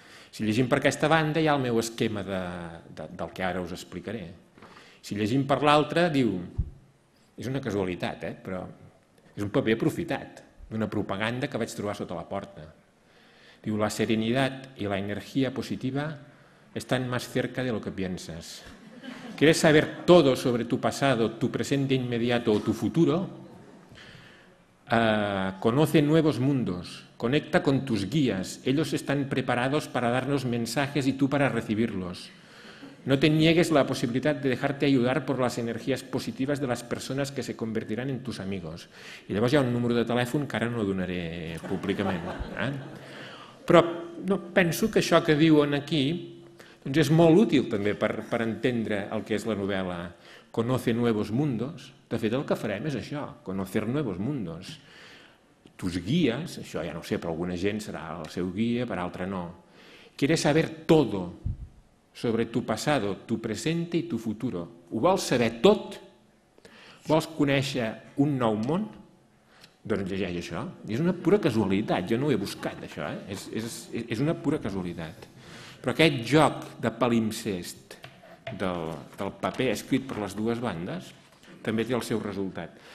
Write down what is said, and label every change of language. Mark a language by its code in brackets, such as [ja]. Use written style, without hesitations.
[ca] Si llegim per aquesta banda, hi ha el meu esquema del que ara us explicaré. Si llegim per l'altra, diu, és una casualitat, però és un paper aprofitat d'una propaganda que vaig trobar sota la porta. [es] Diu, la serenitat i la energia positiva estan més cerca de lo que piensas. ¿Quieres saber todo sobre tu pasado, tu presente inmediato o tu futuro? Conoce nuevos mundos, conecta con tus guías, ellos están preparados para darnos mensajes y tú para recibirlos. No te niegues la posibilidad de dejarte ayudar por las energías positivas de las personas que se convertirán en tus amigos. [ca] I llavors hi ha un número de telèfon que ara no donaré públicament. Però penso que això que diuen aquí és molt útil també per entendre el que és la novel·la. [es] Conoce nuevos mundos. [ca] De fet, el que farem és això, [es] conocer nuevos mundos. Tus guías, [ca] això ja no ho sé, per alguna gent serà el seu guia, per altra no. [es] Quieres saber todo sobre tu pasado, tu presente y tu futuro. [ca] Ho vols saber tot? Vols conèixer un nou món? Doncs llegeix això. I és una pura casualitat, jo no ho he buscat, això. És una pura casualitat. Però aquest joc de palimpsest del paper escrit per les dues bandes també té el seu resultat.